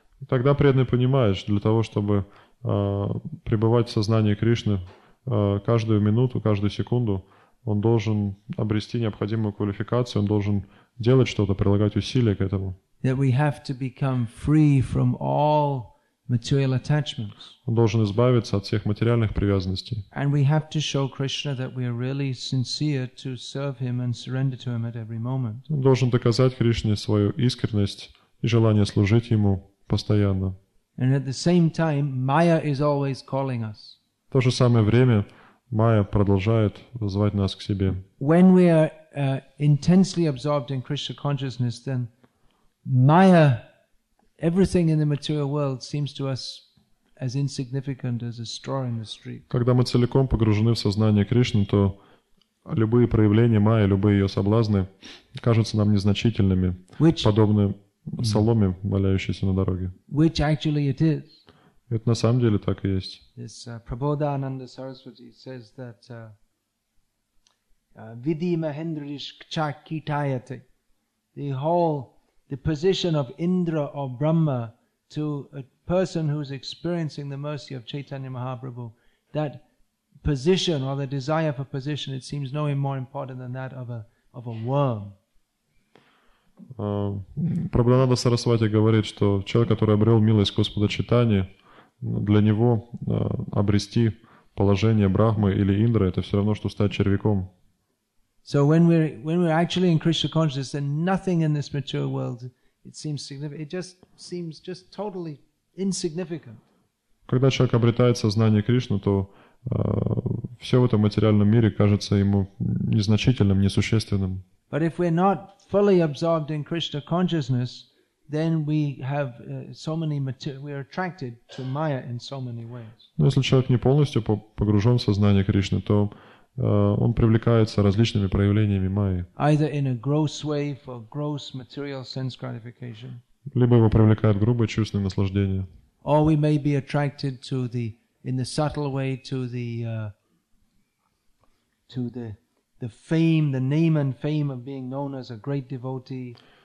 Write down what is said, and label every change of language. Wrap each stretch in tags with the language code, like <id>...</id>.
<ru>Тогда преданный понимает, для того, чтобы пребывать в сознании Кришны каждую минуту, каждую секунду, он должен обрести необходимую квалификацию, он должен делать что-то, прилагать усилия к этому.</ru> <en>That we have to become free from all material attachments.</en> <ru>Он должен избавиться от всех материальных привязанностей.</ru> <en>And we have to show Krishna that we are really sincere to serve Him and surrender to Him at every moment.</en> <ru>Он должен доказать Кришне свою искренность и желание служить Ему постоянно.</ru> <en>And at the same time, Maya is always calling us.</en> <ru>В то же самое время Майя продолжает звать нас к себе.</ru> <en>When we are intensely absorbed in Krishna consciousness, then Maya, everything in the material world seems to us as insignificant as a straw in the street.</en> <ru>Когда мы целиком погружены в сознание Кришны, то любые проявления Майи, любые ее соблазны, кажутся нам незначительными, подобны соломе, валяющейся на дороге.</ru> <en>Which actually it is.</en> <ru>Это на самом деле так и есть.</ru> <en>This Prabodha Ananda Saraswati says that</en> <sa>vidhi mahendrish kcha kitayate,</sa> <en>the whole the position of Indra or Brahma to a person who is experiencing the mercy of Chaitanya Mahaprabhu, that position or the desire for position, it seems no more important than that of a worm.</en> <ru>Prabodhananda Saraswati говорит, что человек, который обрел милость Господа Чайтаньи, для него обрести положение Брахмы или Индры — это все равно, что стать червяком.</ru> <en>So when we're actually in Krishna consciousness, then nothing in this material world it seems significant. It just seems just totally insignificant.</en> <ru>Когда человек обретает сознание Кришны, то все в этом материальном мире кажется ему незначительным, несущественным.</ru> <en>But if we're not fully absorbed in Krishna consciousness, then we have so many we are attracted to Maya in so many ways.</en> <ru>Но если человек не полностью погружен в сознание Кришны, то он привлекается различными проявлениями Майи.</ru> <en>Either in a gross way for gross material sense gratification.</en> <ru>Либо его привлекает грубое чувственное наслаждение.</ru> <en>Or we may be attracted to the in the subtle way to the fame, the name and fame of being known as a great devotee.</en>